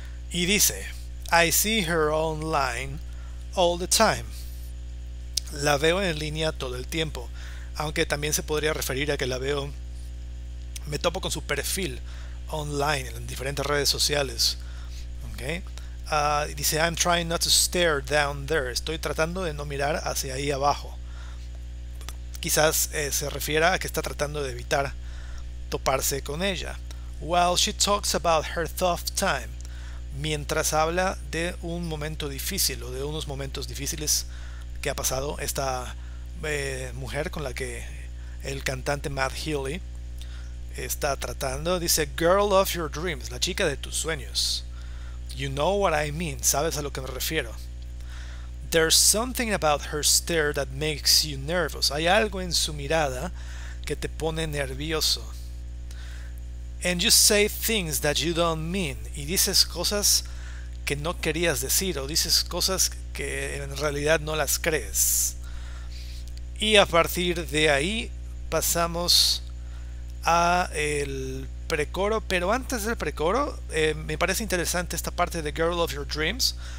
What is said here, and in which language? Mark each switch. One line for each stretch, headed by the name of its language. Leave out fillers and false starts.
Spanish: Y dice:
English: I see her online all the time.
Spanish: La veo en línea todo el tiempo. Aunque también se podría referir a que la veo, me topo con su perfil online en diferentes redes sociales.
English: Okay.
Spanish: Dice,
English: I'm trying not to stare down there.
Spanish: Estoy tratando de no mirar hacia ahí abajo. Quizás se refiera a que está tratando de evitar toparse con ella.
English: While she talks about her tough time.
Spanish: Mientras habla de un momento difícil o de unos momentos difíciles que ha pasado esta mujer con la que el cantante Matt Healy está tratando, dice:
English: Girl of your dreams,
Spanish: la chica de tus sueños.
English: You know what I mean,
Spanish: sabes a lo que me refiero.
English: There's something about her stare that makes you nervous.
Spanish: Hay algo en su mirada que te pone nervioso.
English: And you say things that you don't mean.
Spanish: Y dices cosas que no querías decir. O dices cosas que en realidad no las crees. Y a partir de ahí pasamos a el precoro. Pero antes del precoro, me parece interesante esta parte de Girl of Your Dreams.